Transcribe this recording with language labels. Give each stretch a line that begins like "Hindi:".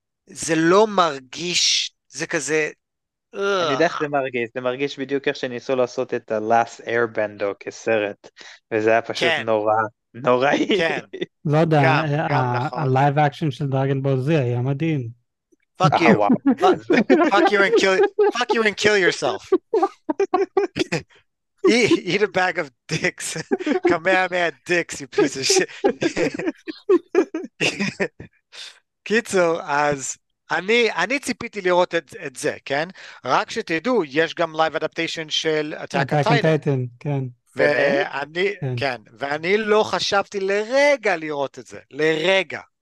Hebrew: וזה לא מרגיש, זה כזה, אני יודע איך זה מרגיש, זה מרגיש בדיוק איך שניסו לעשות את ה-Last Airbender כסרט, וזה היה פשוט כן, נורא, נוראי. כן, לא יודע, גם, גם נכון. ה-Live Action של דרגן בול זה היה מדהים.
English: Fuck you, fuck you and kill yourself. eat a bag of dicks, Kamehameha dicks, you piece of shit.
Hebrew: קיצור, אז... אני ציפיתי לראות את זה, כן? רק שתדעו, יש גם live adaptation של Attack on Titan, כן. ואני, כן, ואני לא חשבתי לרגע לראות את זה, לרגע.